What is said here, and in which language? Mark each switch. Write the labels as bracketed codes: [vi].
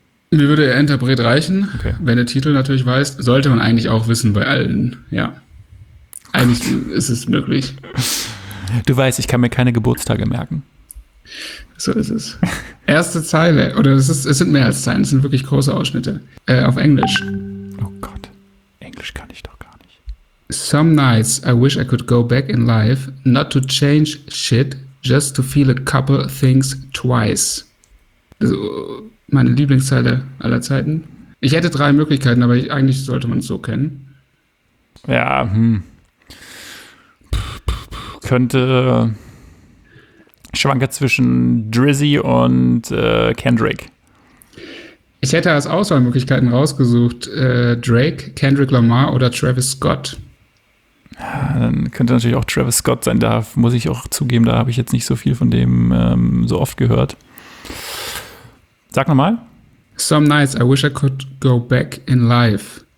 [de] Mir würde der Interpret reichen, okay. Wenn der Titel natürlich weiß, sollte man eigentlich auch wissen bei allen, ja. Eigentlich ist es möglich. Du weißt, ich kann mir keine Geburtstage merken. So ist es. Erste Zeile, oder es sind mehr als Zeilen, es sind wirklich große Ausschnitte, auf Englisch. Oh Gott, Englisch kann ich doch gar nicht. [en] Some nights I wish I could go back in life, not to change shit, just to feel a couple things twice. [de] Also, meine Lieblingszeile aller Zeiten. Ich hätte drei Möglichkeiten, aber eigentlich sollte man es so kennen. Ja, könnte schwanke zwischen Drizzy und Kendrick. Ich hätte als Auswahlmöglichkeiten rausgesucht Drake, Kendrick Lamar oder Travis Scott. Ja, dann könnte natürlich auch Travis Scott sein. Da muss ich auch zugeben, da habe ich jetzt nicht so viel von dem so oft gehört. Sag nochmal. [en] Some nights I wish I could go back in life.